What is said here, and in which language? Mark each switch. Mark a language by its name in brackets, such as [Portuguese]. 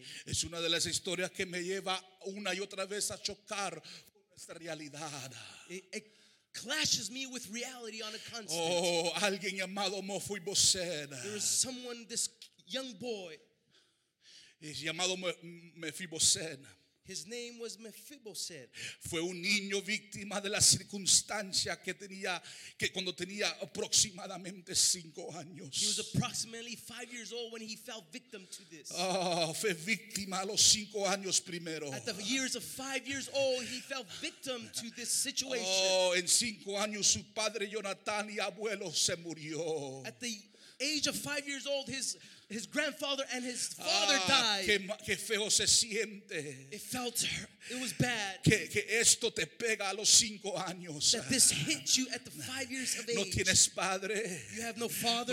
[Spanish] Es una de las historias que me lleva una y otra vez a chocar con nuestra realidad. [English] It clashes me with reality on a constant. [Spanish] Oh, alguien llamado Mefiboset. [English] There is someone, this young boy. [Spanish] Es llamado Mefiboset. [English] His name was Mefiboset. [Spanish] Fue un niño víctima de las circunstancias que tenía, que cuando tenía aproximadamente 5 años. [English] He was approximately 5 years old when he fell victim to this. [Spanish] Oh, fue víctima a los 5 años primero. [English] At the years of 5 years old, he fell victim to this situation. [Spanish] Oh, en 5 años su padre Jonathan y abuelo se murió. [English] At the age of 5 years old, his grandfather and his father died. [Spanish] Que feo se siente. [English] It felt it was bad. [Spanish] Que esto te pega a los 5 años. [English] That this hit you at the 5 years of age. [Spanish] No tienes padre. [English] You have no father.